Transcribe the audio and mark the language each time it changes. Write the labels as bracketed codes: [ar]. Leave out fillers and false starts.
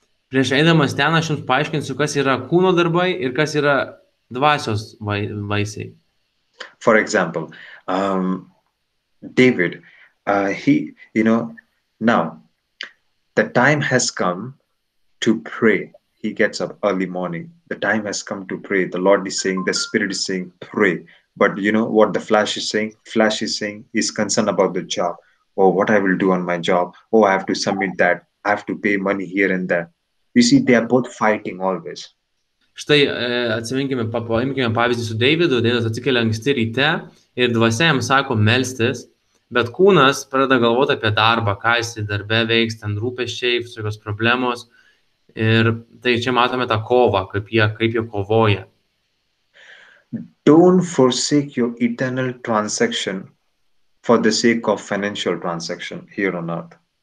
[lt] Prieš eidamas ten, aš jums paaiškinsiu, kas yra kūno darbai ir kas yra dvasios vaisiai. [en] For example, David, he, you know, now, the time has come to pray. He gets up early morning. The time has come to pray. The Lord is saying, the Spirit is saying, pray. But you know what the flesh is saying? Flesh is saying, he's concerned about the job. Oh, what I will do on my job. Oh, I have to submit that. I have to pay money here and there. You see, they are both fighting always. [lt] Štai, atsiminkime, paimkime pavyzdį su Davidu, Davidas atsikelia anksti ryte ir dvasia jam sako melstis, bet kūnas pradeda galvoti apie darbą, ką jis darbe veiks, ten rūpesčiai, visokios problemos. Ir tai čia matome tą kovą, kaip jie kovoja. [en] Don't forsake your eternal transaction for the sake of financial transaction here on earth.